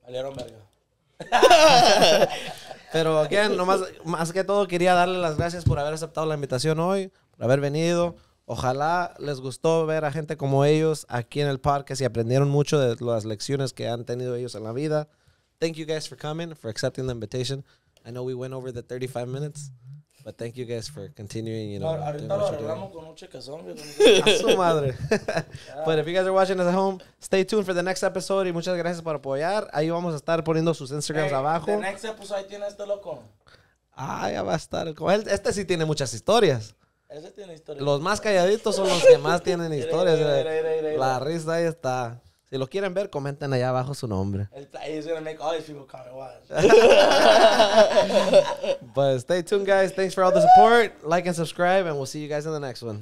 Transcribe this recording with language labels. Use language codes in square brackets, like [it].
[es] valieron verga. Pero again, nomás, más que todo quería darle las gracias por haber aceptado la invitación hoy, por haber venido. Ojalá les gustó ver a gente como ellos aquí en el parque, si aprendieron mucho de las lecciones que han tenido ellos en la vida. [en] Thank you guys for coming, for accepting the invitation. I know we went over the 35 minutes, but thank you guys for continuing, you know. [es] Ahorita lo arreglamos con un chequezón. A su madre. Yeah. [en] But if you guys are watching us at home, stay tuned for the next episode. [es] Y muchas gracias por apoyar. Ahí vamos a estar poniendo sus Instagrams abajo. The next episode, ahí tiene este loco. Ah, ya va a estar. Este sí tiene muchas historias. Ese tiene historias. Los más calladitos son los que más tienen historias. La risa ahí está. Si lo quieren ver, comenten allá abajo su nombre. [en] But stay tuned, guys. Thanks for all the support. Like and subscribe, and we'll see you guys in the next one.